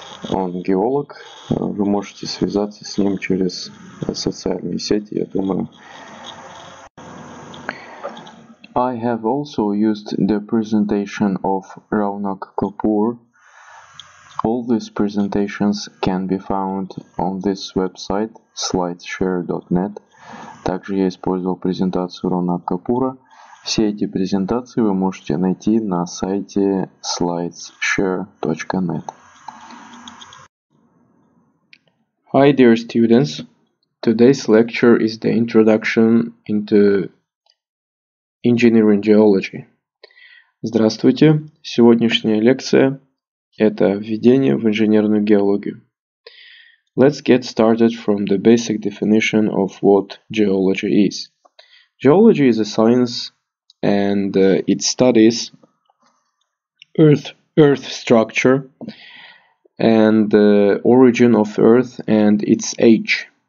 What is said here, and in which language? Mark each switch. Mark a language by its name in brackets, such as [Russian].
[Russian] Он геолог, вы можете связаться с ним через социальные сети, я думаю. [English] I have also used the presentation of Raunak Kapoor. All these presentations can be found on this website, slideshare.net. [Russian] Также я использовал презентацию Раунака Капура. Все эти презентации вы можете найти на сайте slideshare.net. [English] Hi dear students, today's lecture is the introduction into engineering geology. [Russian] Здравствуйте, сегодняшняя лекция – это введение в инженерную геологию. [English] Let's get started from the basic definition of what geology is. Geology is a science and it studies earth structure and the origin of Earth and its age.